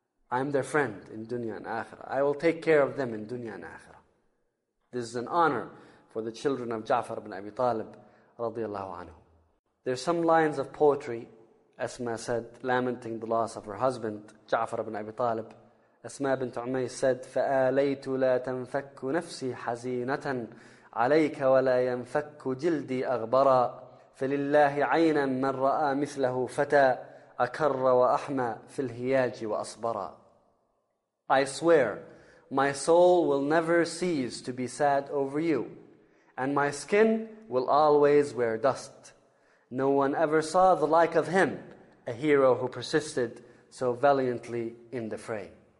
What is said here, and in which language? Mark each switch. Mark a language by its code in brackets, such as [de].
[en] I am their friend in dunya and akhirah. I will take care of them in dunya and akhirah. This is an honor for the children of Ja'far ibn Abi Talib radiallahu anhu. There are some lines of poetry, Asma said, lamenting the loss of her husband, Ja'far ibn Abi Talib. [ar] Asma bint Umayyah [en] said, [ar] فَآلَيْتُ لَا تَنْفَكُّ نَفْسِي حَزِينَةً عَلَيْكَ وَلَا يَنْفَكُّ جِلْدِي أَغْبَرًا فَلِلَّهِ عَيْنًا مَنْ رَآ مِثْلَهُ فَتَى أَكَرَّ وَأَحْمَى فِي الْهِيَاجِ وَأَصْبَرًا. [en] I swear, my soul will never cease to be sad over you, and my skin will always wear dust. No one ever saw the like of him, a hero who persisted so valiantly in the fray.